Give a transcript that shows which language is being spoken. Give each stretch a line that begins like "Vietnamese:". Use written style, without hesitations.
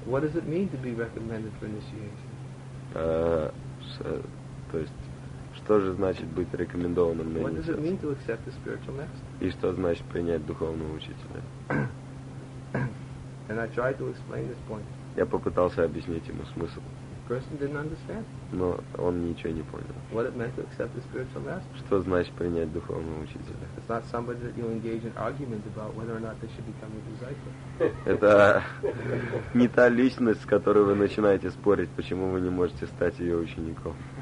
English: What does it mean to be recommended for initiation?
Russian: То есть, что же значит быть рекомендованным на инициацию?
English: What does it mean to accept the spiritual master?
Russian: И что значит принять духовного учителя?
English: And I tried to explain this point.
Russian: Я попытался объяснить ему смысл.
English: Person didn't understand.
Russian: Но он ничего не понял.
English: What it meant to accept the spiritual master?
Russian: Что значит принять духовного учителя?
English: It's not somebody that you engage in argument about whether or not they should become a disciple.
Russian: Это не та личность, с которой вы начинаете спорить, почему вы не можете стать ее учеником.